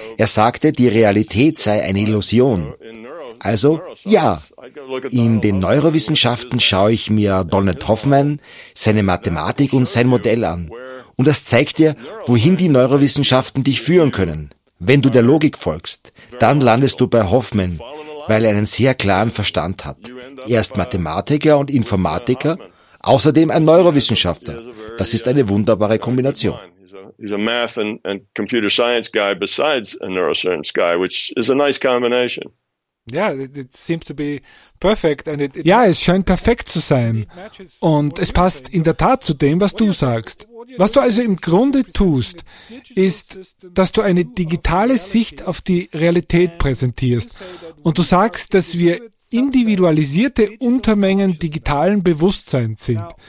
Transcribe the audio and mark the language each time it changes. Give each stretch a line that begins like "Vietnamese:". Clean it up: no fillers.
German: Er sagte, die Realität sei eine Illusion. Also, ja, in den Neurowissenschaften schaue ich mir Donald Hoffman, seine Mathematik und sein Modell an. Und das zeigt dir, wohin die Neurowissenschaften dich führen können. Wenn du der Logik folgst, dann landest du bei Hoffman, weil er einen sehr klaren Verstand hat. Er ist Mathematiker und Informatiker, außerdem ein Neurowissenschaftler. Das ist eine wunderbare Kombination.
English: He's a math and computer science guy besides a neuroscience guy, which is a nice combination. it seems to be perfect. And
German: ja, es scheint perfekt zu sein. Und es passt in der Tat zu dem, was du sagst. Was du also im Grunde tust, ist, dass du eine digitale Sicht auf die Realität präsentierst. Und du sagst, dass wir individualisierte Untermengen digitalen Bewusstseins sind.